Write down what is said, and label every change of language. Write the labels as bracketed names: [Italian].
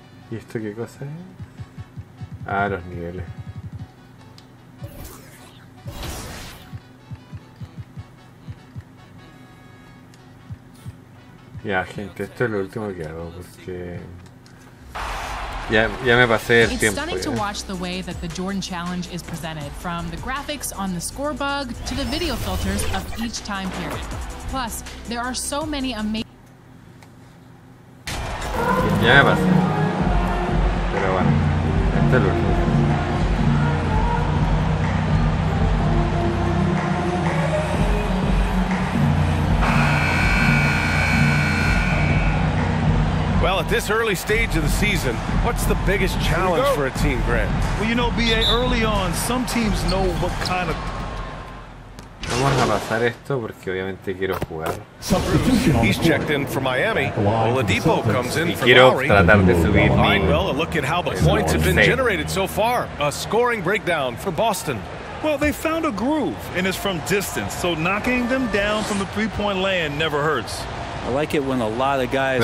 [Spanish] ¿Y esto qué cosa es? Ah, los niveles. Ya, gente, esto es lo último que hago porque ya me pasé el tiempo. [English] It's stunning to watch the way that the Jordan Challenge is presented, from the graphics on the score bug to the video filters of each time period. Plus, there are so many amazing. [Spanish] Ya me pasé. Pero bueno, esto es lo último. [English] At this early stage of the season, what's the biggest challenge for a team, Grant? Well, you know, BA, early on, some teams know what kind of. [Spanish] Vamos a pasar esto porque obviamente quiero jugar. [English] He's checked in for Miami. Oladipo comes in for Lowry. Well, look at how the points have been generated so far. A scoring breakdown for Boston. Well, they found a groove, and it's from distance. So knocking them down from the three-point land never hurts. I like it when a lot of guys